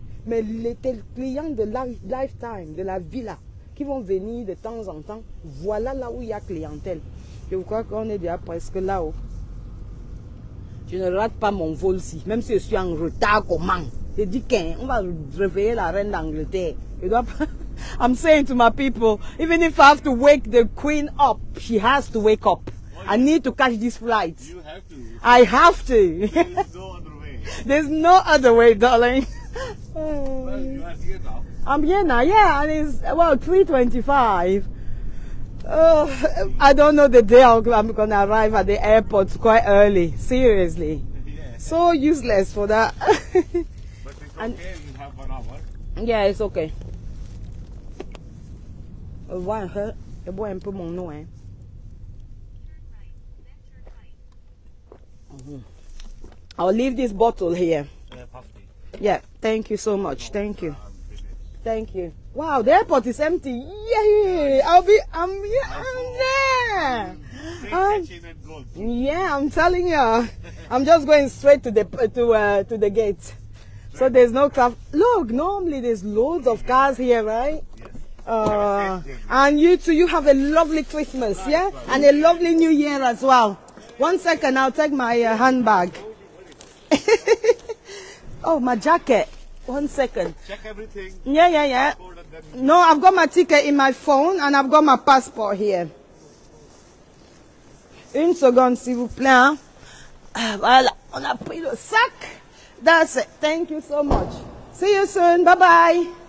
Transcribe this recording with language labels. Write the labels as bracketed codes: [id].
[fr] Mais les clients de lifetime, de la villa, qui vont venir de temps en temps, voilà là où il y a clientèle. Je crois qu'on est déjà presque là-haut. Je ne rate pas mon vol ici, même si je suis en retard, comment? Je dis qu'on va réveiller la reine d'Angleterre. Je dois pas... [en] I'm saying to my people, even if I have to wake the queen up, she has to wake up. Oh, I need to catch this flight. You have to. I have to. There's no other way. There's no other way, darling. Well, you are here now. I'm here now, yeah, and it's, well, 3:25. Oh, I don't know the day I'm going to arrive at the airport quite early, seriously. Yeah. So useless for that. But it's okay, you have 1 hour. Yeah, it's okay. [fr] Vois un peu, je bois un peu mon eau. Hein. [en] I'll leave this bottle here. Puffy. Yeah, thank you so much. Thank you. Thank you. Wow, the airport is empty. Yay! I'm there. I'm telling you. I'm just going straight to the gate. So there's no traffic. Look, normally there's loads of cars here, right? And you too, you have a lovely Christmas, yeah? And a lovely New Year as well. 1 second, I'll take my handbag. Oh, my jacket. 1 second. Check everything. Yeah. No, I've got my ticket in my phone and I've got my passport here. [fr] Une seconde, s'il vous plaît. Voilà, on a pris le sac. [en] That's it. Thank you so much. See you soon. Bye-bye.